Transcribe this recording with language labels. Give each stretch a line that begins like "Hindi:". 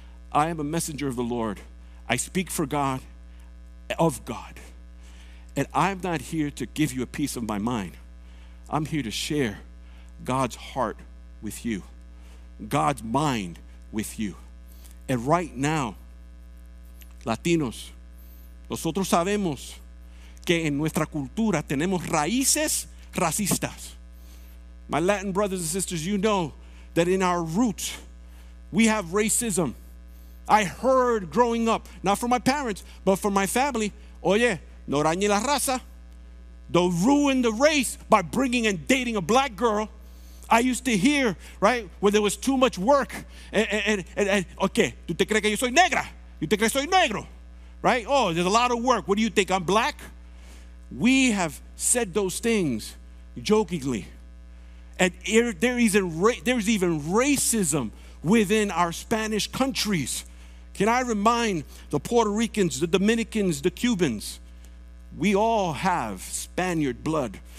English: I am a messenger of the Lord. I speak for God, of God. And I'm not here to give you a piece of my mind. I'm here to share God's heart with you, God's mind with you. And right now, Latinos,
Spanish: nosotros sabemos que en nuestra cultura tenemos raíces racistas.
English: My Latin brothers and sisters, you know that in our roots, we have racism. I heard growing up, not from my parents, but from my family,
Spanish: oye, no dañe la raza.
English: Don't ruin the race by bringing and dating a black girl. I used to hear, right, when there was too much work. And okay,
Spanish: ¿tú te crees que yo soy negra? ¿Tú te crees que soy negro?
English: Right? Oh, there's a lot of work. What do you think, I'm black? We have said those things jokingly. And there's even racism within our Spanish countries. Can I remind the Puerto Ricans, the Dominicans, the Cubans, we all have Spaniard blood.